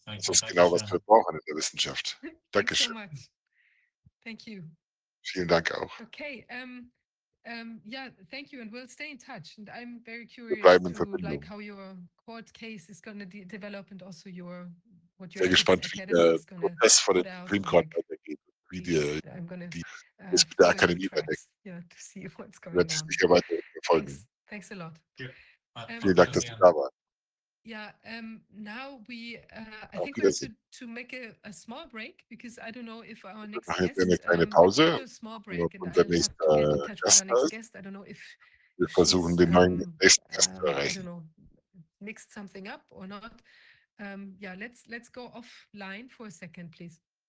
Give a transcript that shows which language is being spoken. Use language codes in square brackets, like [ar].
[en] thank you. [de] Das ist genau, was wir brauchen in der Wissenschaft. Dankeschön. [en] Thank you so much. Thank you. [de] Vielen Dank auch. [en] Okay, yeah, thank you, and we'll stay in touch. And I'm very curious [de] wir bleiben in Verbindung. [en] To, like how your court case is going to develop and also your what you're going to do. [de] Sehr gespannt, wie der Supreme Court weitergeht, wie die Akademie weitergeht. [en] Yeah, to see what's going on. [de] Wird es nicht weiter folgen. [en] Thanks a lot. Yeah. [de] Vielen Dank, dass du da warst. [en] Yeah, now we, I think we have to make a small break, because I don't know if our next guest, [de] eine kleine Pause, unser nächster Gast ist. Wir versuchen, den neuen nächsten Gast zu erreichen. [en] Mixed something up or not. Yeah, let's go offline for a second, please.